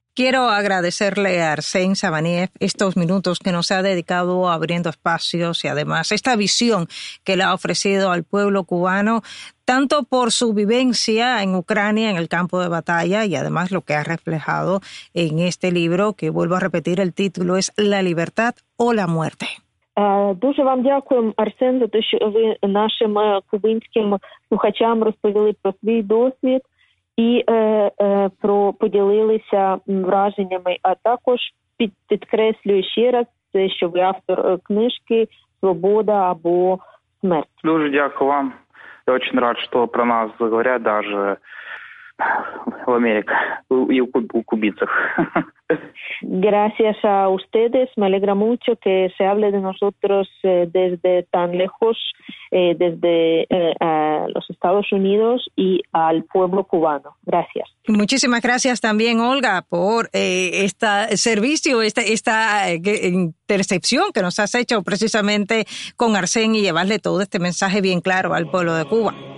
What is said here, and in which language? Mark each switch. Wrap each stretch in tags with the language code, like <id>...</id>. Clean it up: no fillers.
<es>Quiero agradecerle a Arsène Sabaniev estos minutos que nos ha dedicado Abriendo Espacios y además esta visión que le ha ofrecido al pueblo cubano, tanto por su vivencia en Ucrania, en el campo de batalla, y además lo que ha reflejado en este libro, que vuelvo a repetir, el título es La libertad o la muerte.</es> <uk>Дуже вам дякую, Арсен, за те, що ви нашим кубинським слухачам розповіли про свій досвід і про поділилися враженнями, а також підкреслюю ще раз те, що ви автор книжки «Свобода або смерть». Дуже дякую вам. Я дуже радий, що про нас говорять даже в Америці і у кубинцях.</uk> <es>Gracias a ustedes, me alegra mucho que se hable de nosotros desde tan lejos, desde los Estados Unidos y al pueblo cubano. Gracias. Muchísimas gracias también, Olga, por este servicio, esta intercepción que nos has hecho precisamente con Arsène y llevarle todo este mensaje bien claro al pueblo de Cuba.</es>